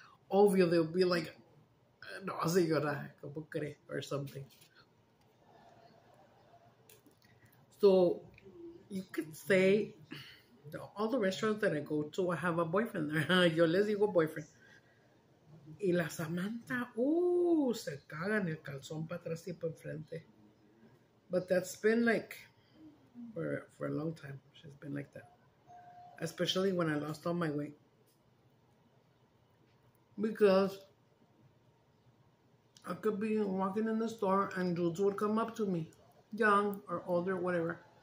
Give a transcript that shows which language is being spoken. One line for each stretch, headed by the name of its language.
Spanish: Obvio,
English: they'll be like,
Spanish: no, señora, ¿cómo cree?
English: Or something. So you could say, all the restaurants that I go to, I have a boyfriend there.
Spanish: Yo les digo boyfriend. Y la Samantha, se caga en el calzón para atrás y para enfrente.
English: But that's been like, for a long time, she's been like that. Especially when I lost all my weight. Because I could be walking in the store and dudes would come up to me, young or older, whatever.